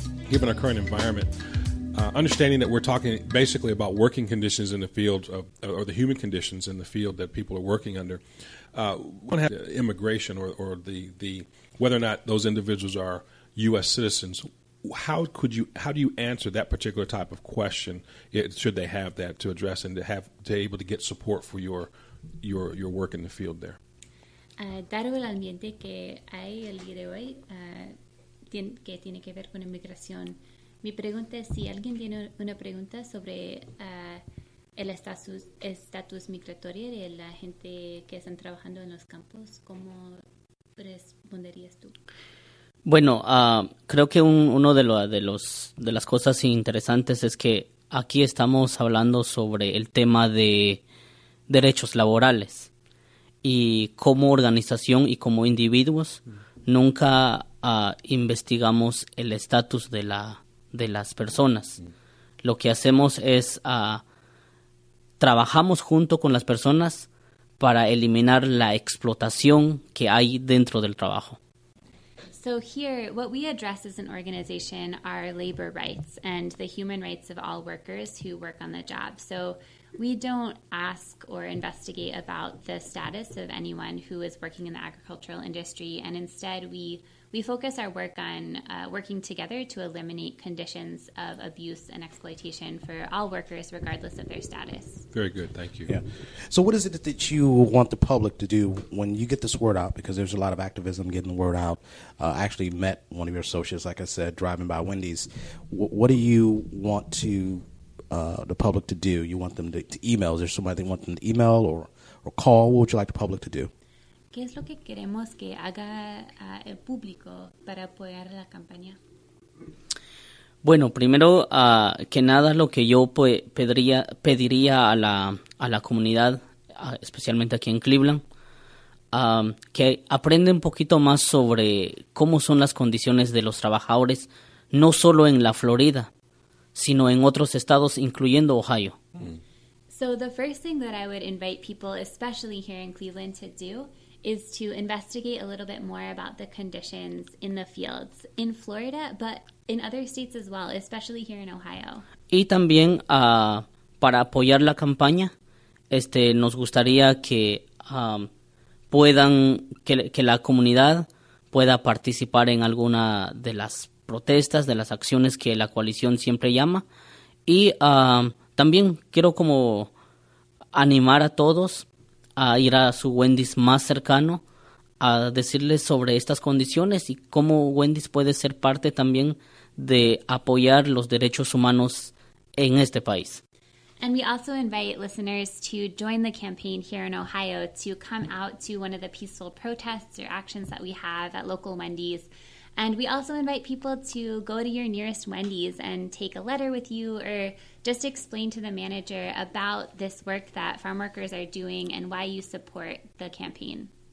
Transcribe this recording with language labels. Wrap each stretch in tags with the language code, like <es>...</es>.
<en>Given our current environment, understanding that we're talking basically about working conditions in the field or the human conditions in the field that people are working under, what happens to immigration or the whether or not those individuals are U.S. citizens? How do you answer that particular type of question, should they have that, to address and to be able to get support for your work in the field there?</en> <es>Dado el ambiente que hay el día de hoy, que tiene que ver con inmigración, mi pregunta es si alguien tiene una pregunta sobre el estatus migratorio de la gente que están trabajando en los campos, ¿cómo responderías tú? Bueno, creo que una de las cosas interesantes es que aquí estamos hablando sobre el tema de derechos laborales y como organización y como individuos nunca investigamos el estatus de las personas. Lo que hacemos es trabajamos junto con las personas para eliminar la explotación que hay dentro del trabajo.</es> <en>So here, what we address as an organization are labor rights and the human rights of all workers who work on the job. So we don't ask or investigate about the status of anyone who is working in the agricultural industry. And instead, we focus our work on working together to eliminate conditions of abuse and exploitation for all workers, regardless of their status. Very good. Thank you. Yeah. So what is it that you want the public to do when you get this word out? Because there's a lot of activism getting the word out. I actually met one of your associates, like I said, driving by Wendy's. What do you want to the public to do? You want them to email? Is there somebody they want them to email or call? What would you like the public to do?</en> <es>¿Qué es lo que queremos que haga el público para apoyar la campaña? Bueno, primero que nada, lo que yo pediría a la comunidad, especialmente aquí en Cleveland, que aprenda un poquito más sobre cómo son las condiciones de los trabajadores, no solo en la Florida, sino en otros estados, incluyendo Ohio. Mm.</es> <en>So the first thing that I would invite people, especially here in Cleveland, to do is to investigate a little bit more about the conditions in the fields in Florida, but in other states as well, especially here in Ohio.</en> <es>Y también para apoyar la campaña, nos gustaría que la comunidad pueda participar en alguna de las protestas, de las acciones que la coalición siempre llama. Y también quiero como animar a todos a ir a su Wendy's más cercano a decirles sobre estas condiciones y cómo Wendy's puede ser parte también de apoyar los derechos humanos en este país.</es> <en>And we also invite listeners to join the campaign here in Ohio to come out to one of the peaceful protests or actions that we have at local Wendy's. And we also invite people to go to your nearest Wendy's and take a letter with you or just explain to the manager about this work that farm workers are doing and why you support the campaign.</en>